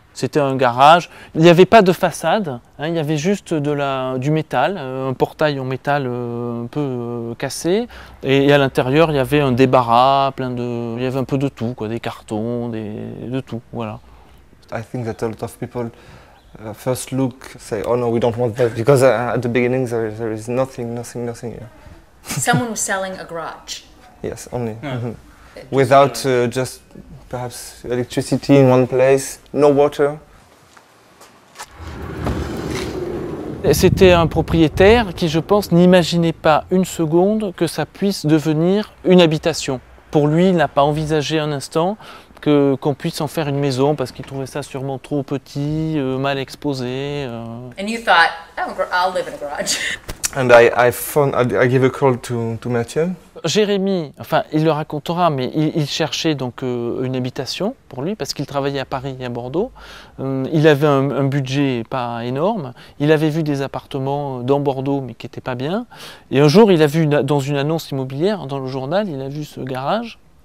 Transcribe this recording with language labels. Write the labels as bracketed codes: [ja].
[fr] C'était un garage, il n'y avait pas de façade, hein, il y avait juste du métal, un portail en métal un peu cassé. Et à l'intérieur, il y avait un débarras, il y avait un peu de tout, quoi, des cartons, de tout, voilà. [en] I think that a lot of people first look say, oh no, we don't want that, because at the beginning there is nothing here. Someone was selling a garage. Yes, only. Yeah. Mm-hmm. Without just perhaps electricity in one place, no water. [fr] C'était un propriétaire qui, je pense, n'imaginait pas une seconde que ça puisse devenir une habitation. Pour lui, il n'a pas envisagé un instant qu'on puisse en faire une maison parce qu'il trouvait ça sûrement trop petit, mal exposé. [en] And you thought, oh, I'll live in a garage. And I gave a call to Mathieu. [fr] Jérémy, enfin, il le racontera, mais il cherchait donc une habitation pour lui parce qu'il travaillait à Paris et à Bordeaux. Il avait un budget pas énorme. Il avait vu des appartements dans Bordeaux, mais qui n'étaient pas bien. Et un jour, il a vu dans une annonce immobilière, dans le journal, il a vu ce garage.